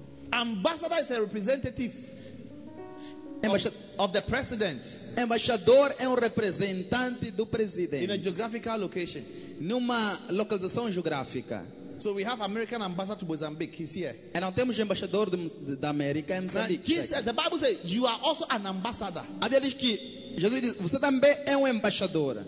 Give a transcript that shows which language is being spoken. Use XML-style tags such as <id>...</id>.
<en>Ambassador is a representative of the president.</en> <pt>Embaixador é representante do presidente.</pt> <en>In a geographical location.</en> <pt>Numa localização geográfica.</pt> <en>So we have American ambassador to Mozambique. He's here.</en> <pt>E nós temos embaixador da América em Mozambique.</pt> <en>Jesus, the Bible says, you are also an ambassador.</en> <pt>A Bíblia diz que Jesus diz, você também é embaixador.</pt>